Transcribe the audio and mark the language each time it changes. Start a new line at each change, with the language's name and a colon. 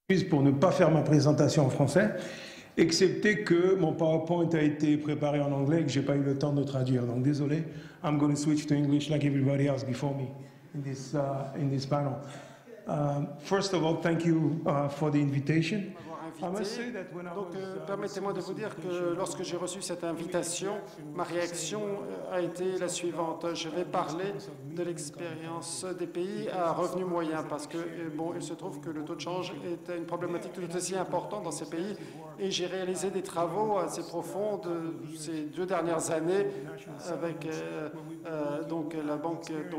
French: Pour ne pas faire ma présentation en français, excepté que mon PowerPoint a été préparé en anglais et que je n'ai pas eu le temps de traduire. Donc désolé,
English: I'm going to switch to English like everybody else before me in this panel. First of all, thank you for the invitation.
French: Donc, permettez-moi de vous dire que lorsque j'ai reçu cette invitation, ma réaction a été la suivante. Je vais parler de l'expérience des pays à revenu moyen parce que, bon, il se trouve que le taux de change est une problématique tout aussi importante dans ces pays et j'ai réalisé des travaux assez profonds de ces deux dernières années avec donc la banque.